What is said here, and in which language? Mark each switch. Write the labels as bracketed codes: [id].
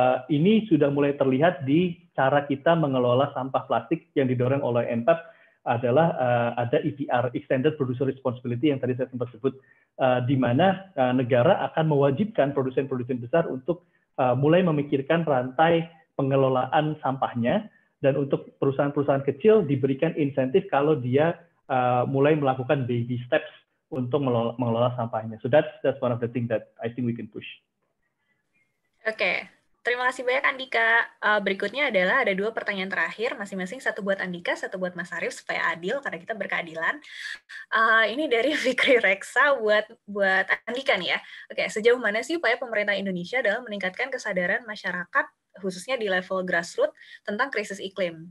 [id] Ini sudah mulai terlihat di cara kita mengelola sampah plastik yang didorong oleh MPEP adalah ada EPR, Extended Producer Responsibility yang tadi saya sempat sebut, di mana negara akan mewajibkan produsen-produsen besar untuk mulai memikirkan rantai pengelolaan sampahnya, dan untuk perusahaan-perusahaan kecil diberikan insentif kalau dia mulai melakukan baby steps untuk mengelola sampahnya. [en] So that's one of the things that I think we can push. [id] Oke, terima kasih banyak Andika. Berikutnya adalah ada dua pertanyaan terakhir, masing-masing satu buat Andika, satu buat Mas Arief, supaya adil karena kita berkeadilan. Ini dari Fikri Reksa buat Andika nih ya. Oke, sejauh mana sih upaya pemerintah Indonesia dalam meningkatkan kesadaran masyarakat, khususnya di level grassroots, tentang krisis iklim?